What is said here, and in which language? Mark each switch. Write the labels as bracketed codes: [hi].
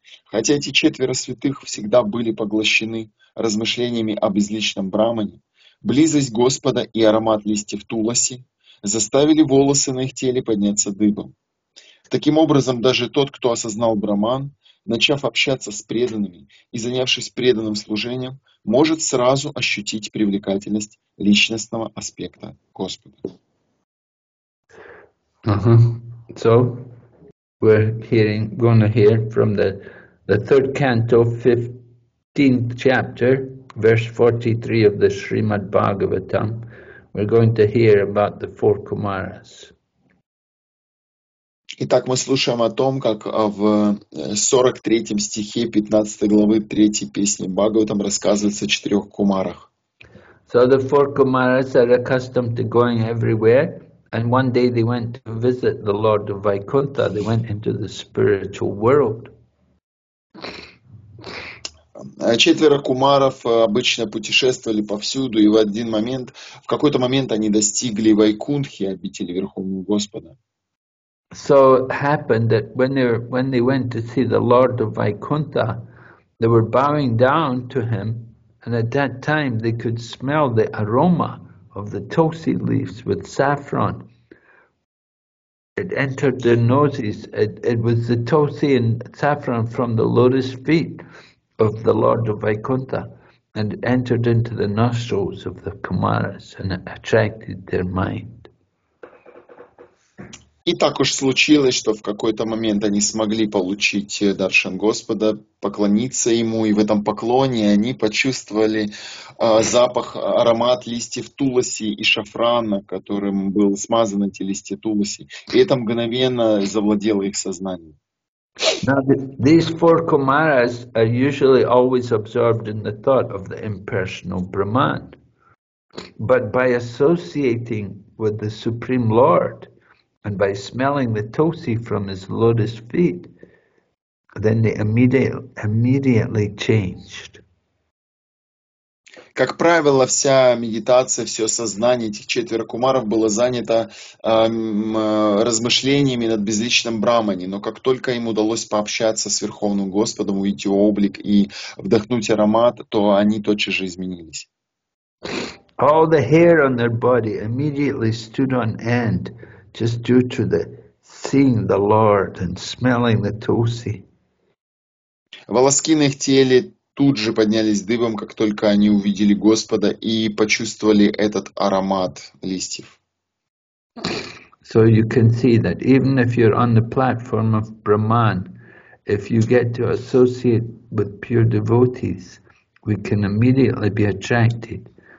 [ru] Хотя эти четверо святых всегда были поглощены размышлениями о безличном Брахмане, близость Господа и аромат листьев туласи заставили волосы на их теле подняться дыбом. Таким образом, даже тот, кто осознал Брахман, начав общаться с преданными и занявшись преданным служением, может сразу ощутить привлекательность личностного аспекта Господа. Uh-huh. [en] So, we're hearing, going to hear from the third canto, 15th chapter, verse 43 of the Srimad Bhagavatam. We're going to hear about the four Kumaras. [ru] Итак, мы слушаем о том, как в 43 стихе 15 главы 3 песни Бхагаватам рассказывается о четырех кумарах. [en] So the four kumaras are accustomed to going everywhere, and one day they went to visit the Lord of Vaikuntha. They went into the spiritual world. [ru] Четверо кумаров обычно путешествовали повсюду, и в один момент, в какой-то момент они достигли Вайкунтхи, обители Верховного Господа. [en] So it happened that when they went to see the Lord of Vaikuntha, they were bowing down to him, and at that time they could smell the aroma of the tulsi leaves with saffron. It entered their noses. It was the tulsi and saffron from the lotus feet of the Lord of Vaikuntha, and it entered into the nostrils of the Kumaras and it attracted their mind. [ru] И так уж случилось, что в какой-то момент они смогли получить даршан Господа, поклониться ему, и в этом поклоне они почувствовали запах, аромат листьев туласи и шафрана, которым был смазан эти листья туласи, и это мгновенно завладело их сознанием. [en] Now, these four kumaras are usually always absorbed in the thought of the impersonal Brahman, but by associating with the Supreme Lord, and by smelling the tulsi from his lotus feet, then they immediately changed. [ru] Как правило, вся медитация, все сознание этих четверо кумаров было занято размышлениями над безличным Брахмане. Но как только им удалось пообщаться с Верховным Господом, увидеть его облик и вдохнуть аромат, то они тотчас же изменились. [en] All the hair on their body immediately stood on end, just due to the seeing the Lord and smelling the tulsi. [ru] Волоски на их теле тут же поднялись дыбом, как только они увидели Господа и почувствовали этот аромат листьев. [en] So you can see that even if you're on the platform of Brahman, if you get to associate with pure devotees, we can immediately be attracted